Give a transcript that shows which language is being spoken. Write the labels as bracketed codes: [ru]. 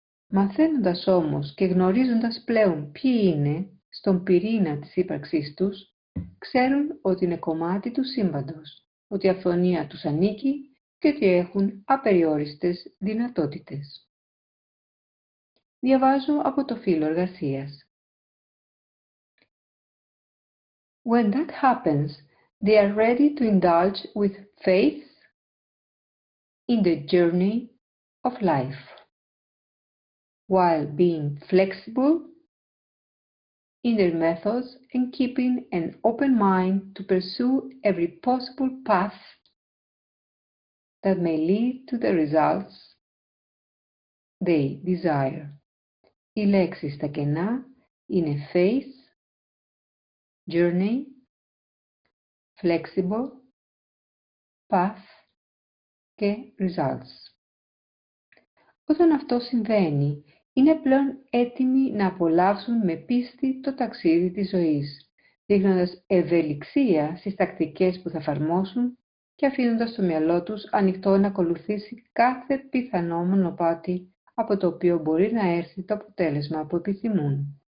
[el] Μαθαίνοντας όμως και γνωρίζοντας πλέον ποιοι είναι στον πυρήνα της ύπαρξής τους, ξέρουν ότι είναι κομμάτι του σύμπαντος, ότι η αυθονία τους ανήκει και ότι έχουν απεριόριστες δυνατότητες. Διαβάζω από το φύλλο εργασίας. [en] When that happens, they are ready to indulge with faith in the journey of life, while being flexible in their methods and keeping an open mind to pursue every possible path that may lead to the results they desire. [el] Οι λέξεις στα κενά είναι faith, journey, flexible, path και results. Όταν αυτό συμβαίνει, είναι πλέον έτοιμοι να απολαύσουν με πίστη το ταξίδι της ζωής, δείχνοντας ευελιξία στις τακτικές που θα εφαρμόσουν και αφήνοντας το μυαλό τους ανοιχτό να ακολουθήσει κάθε πιθανό μονοπάτι από το οποίο μπορεί να έρθει το αποτέλεσμα που επιθυμούν.